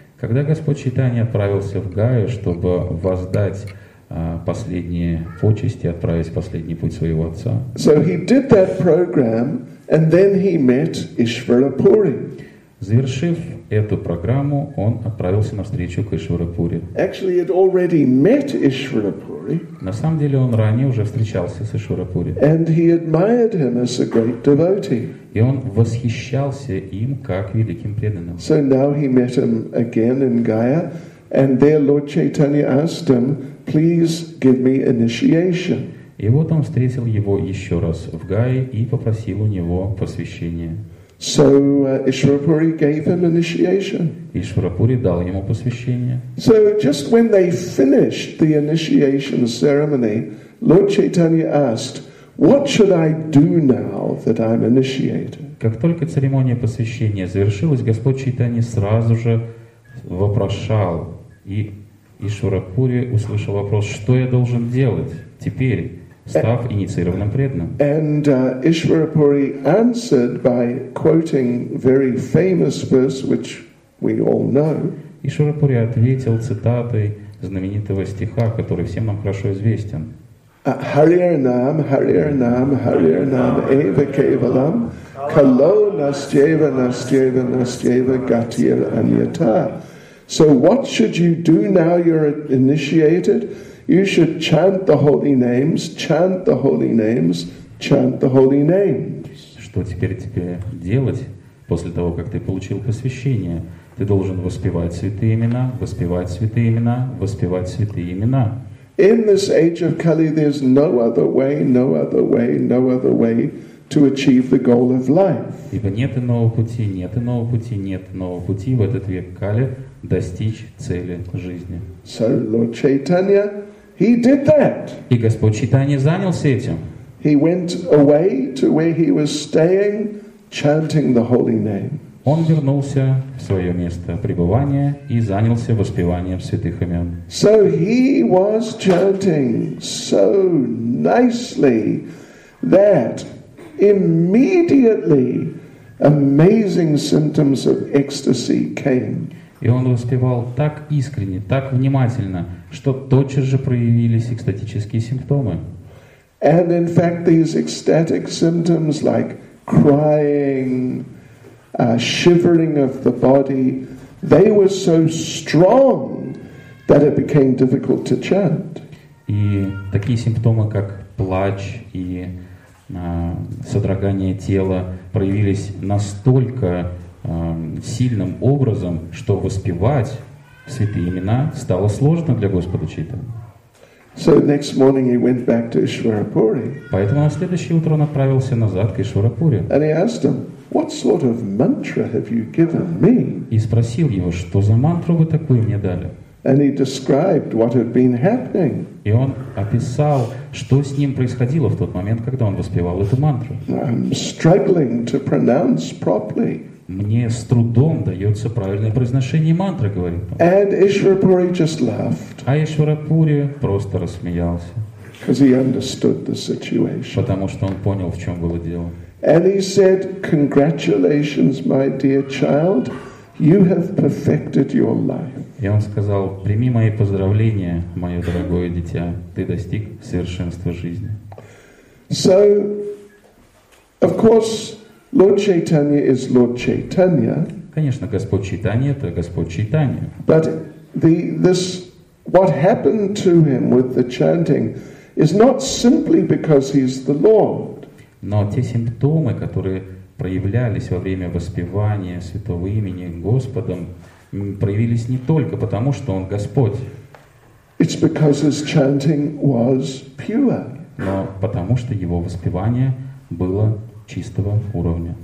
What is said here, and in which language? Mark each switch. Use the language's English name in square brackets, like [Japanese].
[Russian] Когда Господь Чайтанья отправился в Гаю, чтобы воздать последние почести, отправить последний путь своего отца. [English] So he did that program, and then he met Ишварапури. [Russian] Завершив эту программу, он отправился навстречу к Ишварапури. [English] Actually, he had already met Ишварапури. [Russian] На самом деле, он ранее уже встречался с Ишварапури. [English] And he admired him as a great devotee. [Russian] И он восхищался им как великим преданным. [English] So now he met him again in Gaya, and there Lord Chaitanya asked him, "Please give me initiation." [Russian] И вот он встретил его еще раз в Гае и попросил у него посвящения. [English] So Ишварапури gave him initiation. [Russian] Ишварапури дал ему посвящение. [English] So just when they finished the initiation ceremony, Lord Chaitanya asked, "What should I do now that I'm initiated?" [Russian] Как только церемония посвящения завершилась, Господь Чайтанья сразу же вопрошал, и Ишварапури услышал вопрос: "Что я должен делать теперь?" Став инициированным преданным. [English] And Ишварапури answered by quoting very famous verse, which we all know. [Russian] Ишварапури ответил цитатой знаменитого стиха, который всем нам хорошо известен. [Sanskrit] Hariyar nam, Hariyar nam, Hariyar nam, eva kevalam, kalo nasjeva, nasjeva, nasjeva, gatir anyata. [English] So what should you do now you're initiated? You should chant the holy names, chant the holy names, chant the holy names. [Russian] Что теперь тебе делать после того, как ты получил посвящение? Ты должен воспевать святые имена, воспевать святые имена, воспевать святые имена. [English] In this age of Kali, there's no other way, no other way, no other way to achieve the goal of life. [Russian] Ибо нет иного пути, нет иного пути, нет иного пути в этот век Кали достичь цели жизни. [English] So Lord Chaitanya, he did that. [Russian] И Господь Чайтанья занялся этим. [English] He went away to where he was staying, chanting the holy name. [Russian] Он вернулся в свое место пребывания и занялся воспеванием святых имен. [English] So he was chanting so nicely that immediately amazing symptoms of ecstasy came. [Russian] И он воспевал так искренне, так внимательно, что тотчас же проявились экстатические симптомы. [English] And in fact, these ecstatic symptoms like crying, shivering of the body, they were so strong that it became difficult to chant. [Russian] И такие симптомы, как плач и содрогание тела, проявились настолько сильным образом, что воспевать святые имена стало сложно для Господа Чайтаньи. [English] So next morning he went back to Ишварапури. [Russian] Поэтому на следующее утро он отправился назад к Ишварапури. [English] And he asked him, "What sort of mantra have you given me?" [Russian] И спросил его, что за мантру вы такую мне дали. [English] And he described what had been happening. [Russian] И он описал, что с ним происходило в тот момент, когда он воспевал эту мантру. [English] I'm struggling to pronounce properly. [Russian] Мне с трудом дается правильное произношение мантры, говорит он. [English] And Ишварапури just laughed. [Russian] А Ишварапури просто рассмеялся. [English] Because he understood the situation. [Russian] Потому что он понял, в чем было дело. [English] And he said, "Congratulations, my dear child, you have perfected your life." [Russian] И он сказал: "Прими мои поздравления, мое дорогое дитя, ты достиг совершенства жизни." [English] So, of course, Lord Chaitanya is Lord Chaitanya. [Russian] Конечно, Господь Чайтанья — это Господь Чайтанья. [English] But what happened to him with the chanting is not simply because he's the Lord. [Russian] Но те симптомы, которые проявлялись во время воспевания святого имени Господом, проявились не только потому, что он Господь. [English] It's because his chanting was pure. [Russian] Но потому, что его воспевание было чистого уровня.